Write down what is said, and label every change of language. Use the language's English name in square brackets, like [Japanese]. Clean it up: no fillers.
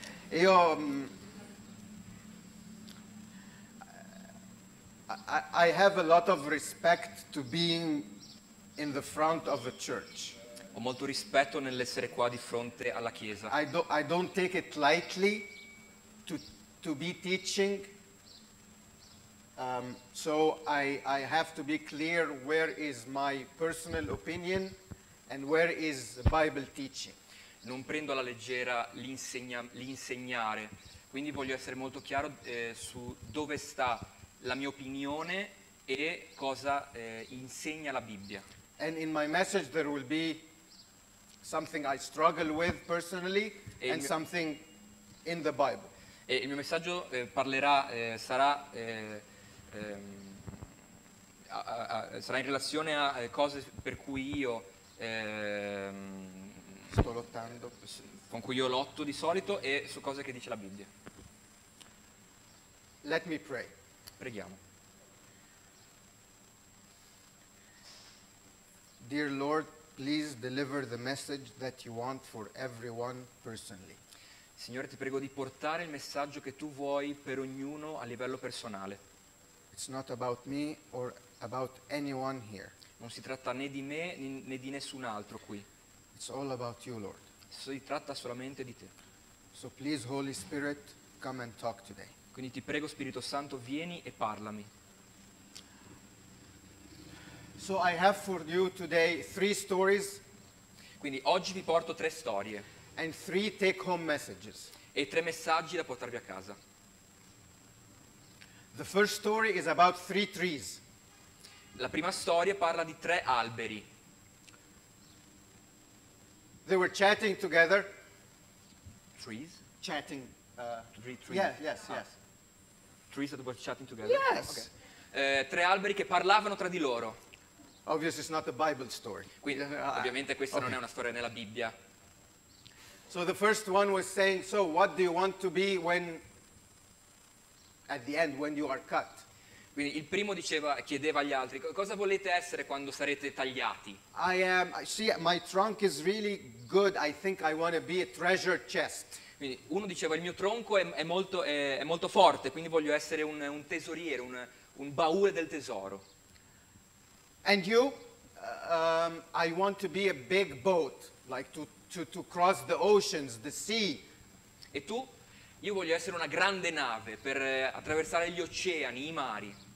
[English] Io I have a lot of respect to being in the front of the church. [Italian] Ho molto rispetto nell'essere qua di fronte alla chiesa. [English] I don't take it lightly to be teaching. So I have to be clear where is my personal opinion and where is Bible teaching. [Italian] Non prendo alla leggera l'insegnare, quindi voglio essere molto chiaro su dove sta la mia opinione e cosa insegna la Bibbia. [English] And in my message there will be something I struggle with personally and something in the Bible. [Italian] E il mio messaggio sarà in relazione a cose per cui io sto lottando, con cui io lotto di solito, e su cose che dice la Bibbia. [English] Let me pray. [Italian] Preghiamo. [English] Dear Lord, please deliver the message that you want for everyone personally. [Italian] Signore, ti prego di portare il messaggio che tu vuoi per ognuno a livello personale. [English] It's not about me or about anyone here. [Italian] Non si tratta né di me né di nessun altro qui. [English] It's all about you, Lord. [Italian] Si tratta solamente di te. [English] So please, Holy Spirit, come and talk today. [Italian] Quindi ti prego, Spirito Santo, vieni e parlami. [English] So I have for you today three stories. [Italian] Quindi oggi vi porto tre storie. [English] And three take home messages. [Italian] E tre messaggi da portarvi a casa. [English] The first story is about three trees. [Italian] La prima storia parla di tre alberi. [English] They were chatting together. Trees? Chatting. Three trees? Yes. Trees that were chatting together. Yes. Okay. [Italian] Tre alberi che parlavano tra di loro. [English] Obviously it's not a Bible story. [Italian] Quindi, ovviamente questa non è una storia nella Bibbia. [English] So the first one was saying, so what do you want to be when at the end when you are cut? [Italian] Quindi il primo diceva, chiedeva agli altri, cosa volete essere quando sarete tagliati? [English] I am. See, my trunk is really good. I think I want to be a treasure chest. [Italian] Quindi uno diceva, il mio tronco è molto forte, quindi voglio essere un tesoriere, un baule del tesoro. [English] And you? I want to be a big boat, like to cross the oceans, the sea. [Italian] E tu? Io voglio essere una grande nave per attraversare gli oceani, i mari.